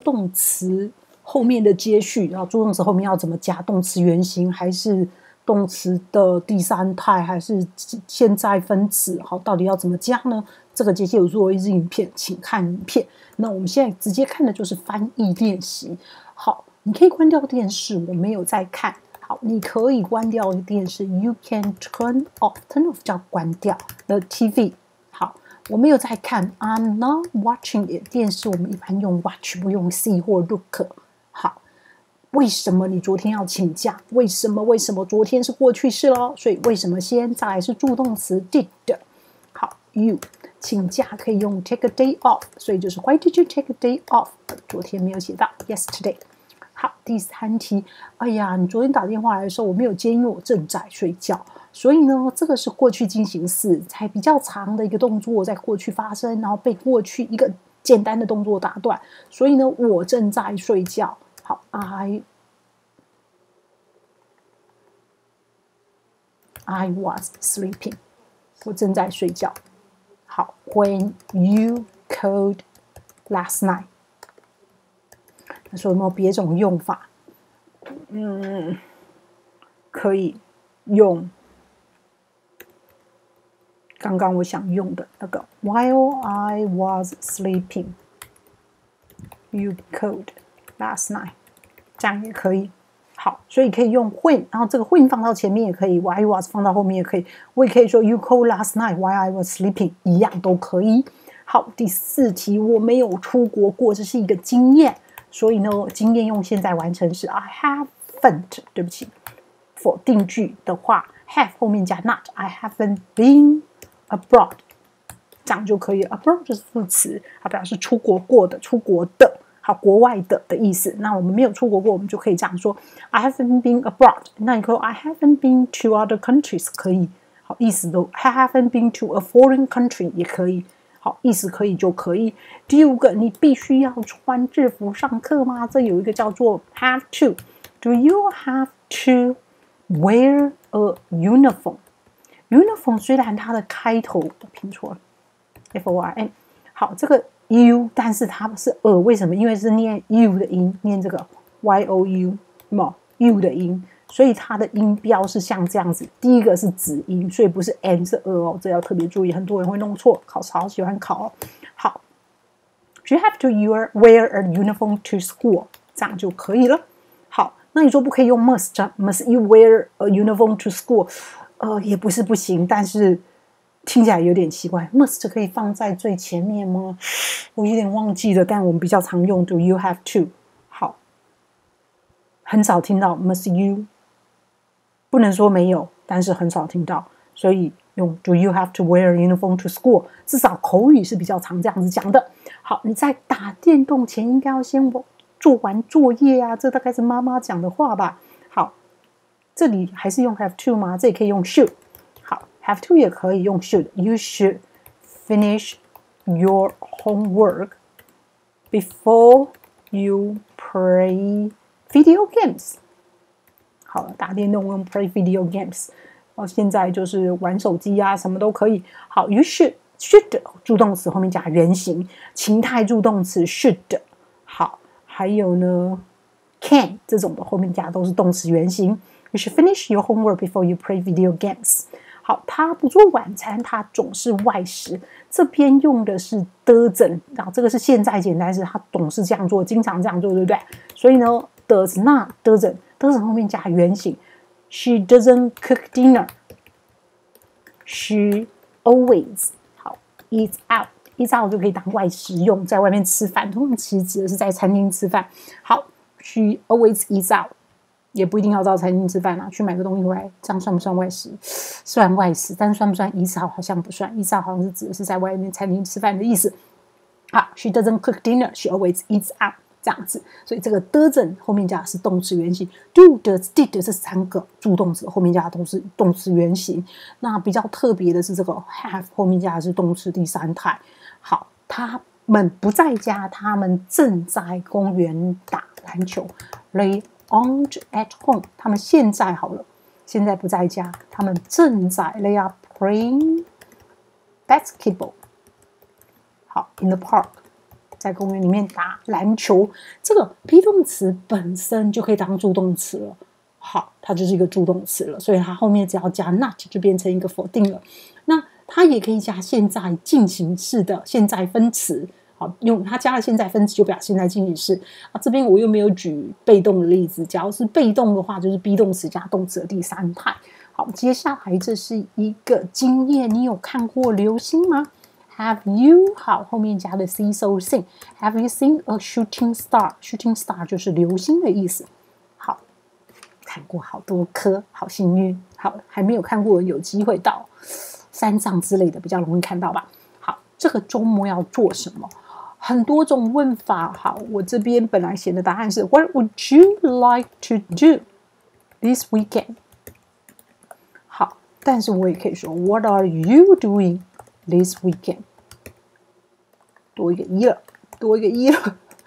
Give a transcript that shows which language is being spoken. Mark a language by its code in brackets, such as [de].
[zh] 动词后面的接续，然后助动词后面要怎么加动词原形，还是动词的第三态，还是现在分词，好，到底要怎么加呢？这个接下来有做一支影片，请看影片。那我们现在直接看的就是翻译练习。好，你可以关掉电视，我没有在看。好，你可以关掉电视 ， [en] You can turn off [zh] 叫关掉 [en] the TV。 [zh] 好，我没有在看 ， [en] I'm not watching it。 [zh] 电视我们一般用 watch， 不用 see 或 look。好，为什么你昨天要请假？为什么？昨天是过去式喽，所以为什么先？再来是助动词 did。 [en] 好 ，you [zh] 请假可以用 [en] take a day off， [zh] 所以就是 [en] why did you take a day off？ [zh] 昨天没有写到 yesterday。好，第三题，哎呀，你昨天打电话来的时候我没有接，因为我正在睡觉。所以呢，这个是过去进行式，才比较长的一个动作在过去发生，然后被过去一个简单的动作打断。所以呢，我正在睡觉。好 ， [en] I was sleeping， [zh] 我正在睡觉。 [en] 好 ，When you called last night。 [zh] 说有没有别种用法？可以用刚刚我想用的那个 ， [en] While I was sleeping, you called last night， [zh] 这样也可以。好，所以可以用 when， 然后这个 when 放到前面也可以 ，while I was 放到后面也可以。我也可以说 [en] you called last night while I was sleeping， [zh] 一样都可以。好，第四题，我没有出国过，这是一个经验。所以呢，经验用现在完成是 I haven't， 对不起，否定句的话 have 后面加 not， [en] I haven't been abroad， [zh] 这样就可以。 abroad 就是副词，它表示出国过的、出国的，好，国外的的意思。那我们没有出国过，我们就可以这样说 [en] I haven't been abroad。 [zh] 那你可以 [en] I haven't been to other countries， [zh] 可以，好，意思都 [en] I haven't been to a foreign country [zh] 也可以。好，意思可以就可以。第五个，你必须要穿制服上课吗？这有一个叫做 have to。 [en] Do you have to wear a uniform? [zh] Uniform 虽然它的开头拼错了 F-O-R-M， 好，这个 U 但是它是 a， 为什么？因为是念 U 的音，念这个 Y-O-U U 的音，所以它的音标是像这样子，第一个是子音，所以不是 n 是 a 哦，这要特别注意，很多人会弄错，考试好喜欢考哦。 [en] 好 ，You have to wear a uniform to school， 这样就可以了。 [zh] 好，那你说不可以用 [en] must you wear a uniform to school？ [zh] 也不是不行，但是听起来有点奇怪 ，must 可以放在最前面吗？我有点忘记了，但我们比较常用 [en] do you have to。 [zh] 很少听到 must you， 不能说没有，但是很少听到，所以用 [en] do you have to wear a uniform to school， [zh] 至少口语是比较常这样子讲的。好，你在打电动前应该要先做完作业啊，这大概是妈妈讲的话吧。好，这里还是用 have to 吗？这也可以用 should。 [en] 好， have to [zh] 也可以用 [en] should。 You should finish your homework before you playvideo games。 [zh] 好，打电动用 [en] play video games， [zh] 现在就是玩手机啊，什么都可以。好， you should 助动词后面加原形，情态助动词 should。好，还有呢 can 这种的后面加都是动词原形。 [en] you should finish your homework before you play video games。 [zh] 好，他不做晚餐，他总是外食，这边用的是 doesn't， 然后这个是现在简单式，他总是这样做，经常这样做，对不对？所以呢 [en] Does not, doesn't, doesn't [zh] 后面加原形。 [en] She doesn't cook dinner. She always 好 eat out. [zh] Eat out 就可以当外食用，在外面吃饭。通常其实指的是在餐厅吃饭。 [en] 好 ，She always eats out. [zh] 也不一定要到餐厅吃饭啊，去买个东西回来，这样算不算外食？算外食，但算不算 eat out 好像不算。eat out 好像是指的是在外面餐厅吃饭的意思。 [en] 好 ，She doesn't cook dinner. She always eats out. [zh] 这样子，所以这个 doesn't 后面加的是动词原形， do、does、did 这三个助动词后面加的都是动词原形。那比较特别的是这个 have 后面加的是动词第三态。好，他们不在家，他们正在公园打篮球。 [en] They aren't at home， [zh] 他们现在好了，现在不在家，他们正在 [en] they are playing basketball。 [zh] 好 ， [en] in the park。 [zh] 在公园里面打篮球，这个 be 动词本身就可以当助动词了。好，它就是一个助动词了，所以它后面只要加 not 就变成一个否定了。那它也可以加现在进行式的现在分词，好，用它加了现在分词就表现在进行式啊。这边我又没有举被动的例子，假如是被动的话，就是 be 动词加动词的第三态。好，接下来这是一个经验，你有看过流星吗？ [en] Have you, 好， [zh] 后面加的 [en] see so seen. Have you seen a shooting star? [zh] Shooting star 就是流星的意思。好，看过好多颗，好幸运。好，还没有看过，有机会到山上之类的比较容易看到吧。好，这个周末要做什么？很多种问法。 [en] 好， [zh] 我这边本来写的答案是 [en] What would you like to do this weekend? [zh] 好，但是我也可以说 [en] What are you doingThis weekend, [zh] 多一个一了，多一个一了。